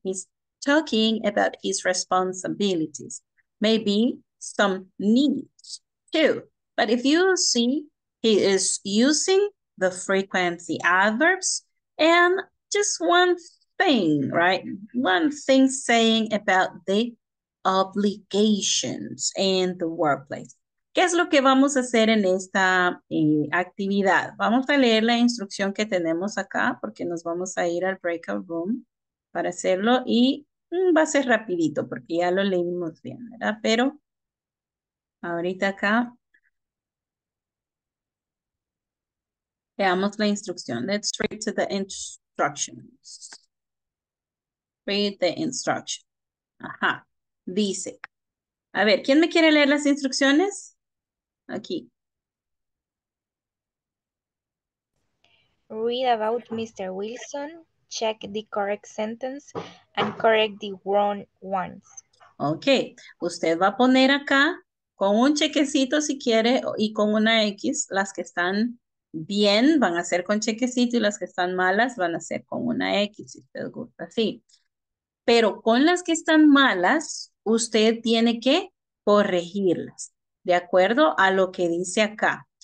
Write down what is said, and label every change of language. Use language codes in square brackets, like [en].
[en] He's talking about his responsibilities, maybe some needs too. But if you see, he is using the frequency adverbs and just one thing, right? One thing saying about the obligations in the workplace. [es] ¿Qué es lo que vamos a hacer en esta actividad? Vamos a leer la instrucción que tenemos acá porque nos vamos a ir al breakout room para hacerlo y va a ser rapidito porque ya lo leímos bien, ¿verdad? Pero ahorita acá leamos la instrucción. [en] Let's read to the instructions. Read the instruction. Ajá. [es] Dice, a ver, ¿quién me quiere leer las instrucciones? Aquí. [en] Read about Mr. Wilson, check the correct sentence, and correct the wrong ones. [es] Ok, usted va a poner acá, con un chequecito si quiere, y con una X, las que están bien van a ser con chequecito, y las que están malas van a ser con una X, si usted gusta, sí. Pero con las que están malas, usted tiene que corregirlas, de acuerdo a lo que dice acá.